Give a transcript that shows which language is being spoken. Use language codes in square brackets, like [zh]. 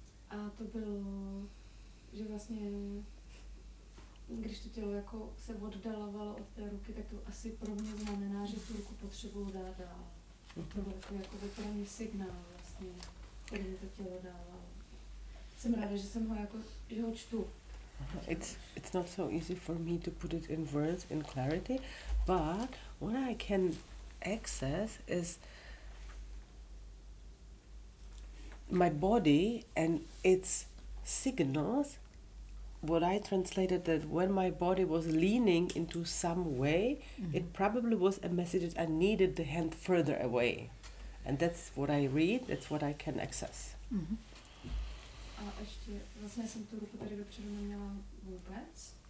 [cs] A to bylo, že vlastně když to tělo jako se oddalovalo od té ruky, tak to asi pro mě znamená, že tu ruku potřebuju dát dál. To byl takový jako vyprávný signál vlastně, který mi to tělo dávalo. Jsem ráda, že jsem ho jako, že ho čtu. [en] It's not so easy for me to put it in words, in clarity, but what I can access is my body and its signals. What I translated that when my body was leaning into some way, it probably was a message that I needed the hand further away. And that's what I read, that's what I can access. [cs] Mm-hmm. A ještě, vlastně jsem tu ruku tady dopředu neměla vůbec.